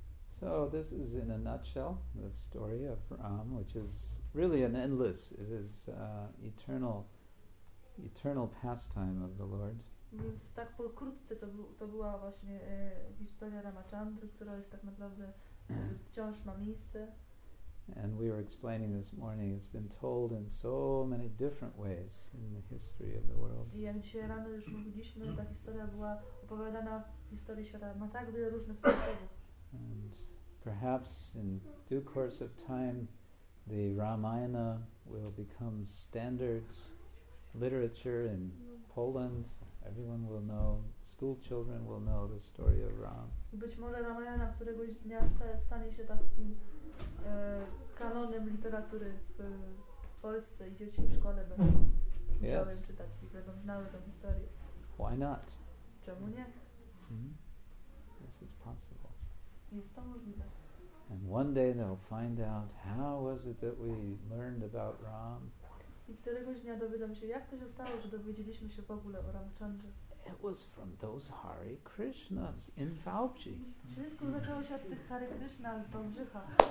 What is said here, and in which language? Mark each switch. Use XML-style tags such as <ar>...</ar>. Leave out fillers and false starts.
<en>So this is in a nutshell the story of Ram, which is really an endless, it is eternal pastime of the Lord.</en> <pl>Więc tak pokrótce to była właśnie historia Ramachandry, która jest tak naprawdę wciąż ma miejsce.</pl> <en>And we were explaining this morning, it's been told in so many different ways in the history of the world.</en> <pl>I jak dzisiaj rano już mówiliśmy, ta historia była opowiadana w historii świata, ma tak wiele różnych sposobów.</pl> <en>And perhaps in due course of time the Ramayana will become standard literature in Poland. Everyone will know, school children will know the story of Ram.</en> <pl>Być może Ramayana któregoś dnia stanie się takim kanonem literatury w Polsce i dzieci w szkole będą chciały czytać i będą znały tę historię.</pl> <en>Why not?</en> <pl>Czemu nie?</pl> <en>This is possible.</en> <pl>Jest to możliwe.</pl> <en>And one day they'll find out how was it that we learned about Ram.</en> <pl>I któregoś dnia dowiedzą się, jak to się stało, że dowiedzieliśmy się w ogóle o Ramachandrze.</pl> <en>It was from those Hare Krishnas in Valji.</en> <pl>Wszystko zaczęło się od tych Hare Krishna z Wałbrzycha.</pl>